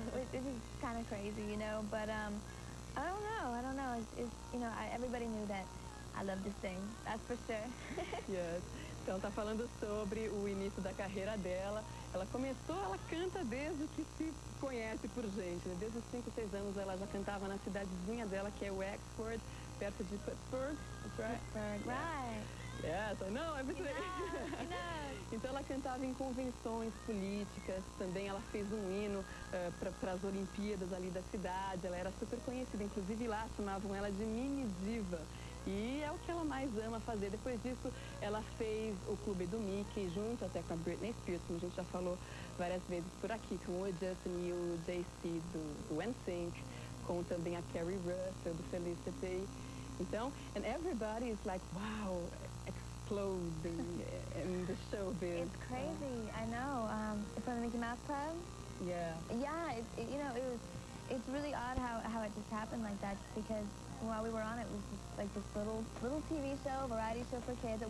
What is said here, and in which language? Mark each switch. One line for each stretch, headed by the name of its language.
English: This is kind of crazy, you know, but I don't know. It's you know, everybody knew that I loved to sing, that's for sure. Yes.
Portuguese: Então, tá falando sobre o início da carreira dela. Ela começou, ela canta desde que se conhece por gente, né? Desde os 5, 6 anos ela já cantava na cidadezinha dela, que é Wexford, perto de Pittsburgh.
English: That's right. Pittsburgh, right. Yes, I know, everything.
Portuguese: Então, ela cantava em convenções políticas, também ela fez um hino para as Olimpíadas ali da cidade. Ela era super conhecida, inclusive lá chamavam ela de Mini Diva. E é o que ela mais ama fazer. Depois disso, ela fez o clube do Mickey, junto até com a Britney Spears, como a gente já falou várias vezes por aqui, com o Justin e o JC do NSYNC, com também a Carrie Russell, do Felicity. Então,
English: and everybody is like, wow, exploding in the showbiz. It's crazy, I know. From the Mickey Mouse Club? Yeah. Yeah, it's really odd how it just happened like that, because while we were on it, it was just like this little TV show, variety show for kids.